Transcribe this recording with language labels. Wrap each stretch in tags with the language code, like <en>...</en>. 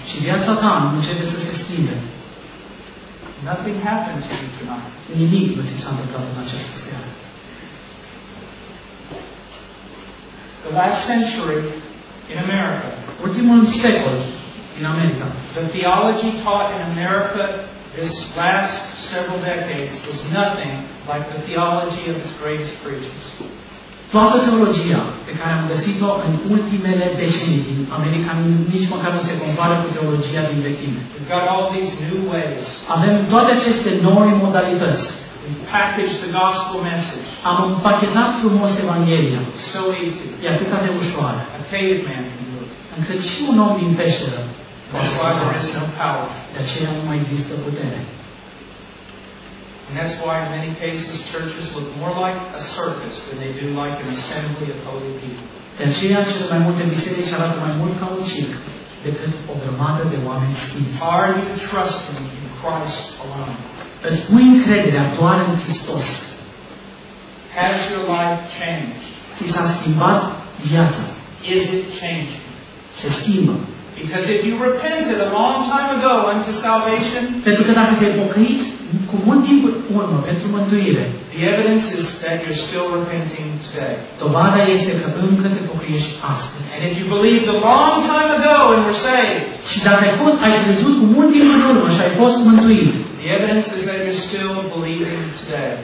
<ro>și viața ta nu începe să se schimbe.</ro> <en>Nothing happened to you tonight.</en> <ro>Nimic nu s-a întâmplat în această seară.</ro> <en>The last century in America,</en> <ro>ultimul secol în America,</ro> <en>the theology taught in America this last several decades was nothing like the theology of its greatest preachers.</en> <ro>Toată teologia pe care am găsit-o în ultimele decenii din America nici măcar nu se compară cu teologia din vechime.</ro> <en>We've got all these new ways.</en> <ro>Avem toate aceste noi modalități.</ro> <en>We've packaged the gospel message.</en> <ro>Am împachetat frumos Evanghelia.</ro> <en>So easy.</en> <ro>E atât de ușoară.</ro> <en>A caveman can do it.</en> <ro>Încât și un om din peșteră.</ro> <en>That's why there is no power.</en> <ro>De aceea nu mai există putere.</ro> <en>And that's why in many cases churches look more like a circus than they do like an assembly of holy people.</en> <ro>De aceea cele mai multe biserici arată mai mult ca un circ decât o grămadă de oameni sfinți.</ro> <en>Are you trusting in Christ alone?</en> <ro>Îți pui încrederea doar în Hristos?</ro> <en>Has your life changed?</en> <ro>Ți s-a schimbat viața?</ro> <en>Is it changing?</en> <ro>Se schimbă.</ro> <en>Because if you repented a long time ago unto salvation,</en> <ro>pentru că dacă te-ai pocăit cu mult timp urmă pentru mântuire,</ro> <en>the evidence is that you're still repenting today.</en> <ro>Dovada este că încă te pocăiești astăzi.</ro> <en>And if you believed a long time ago and were saved,</en> <ro>și dacă ai crezut cu mult timp în urmă și ai fost mântuit,</ro> <en>the evidence is that you're still believing today.</en>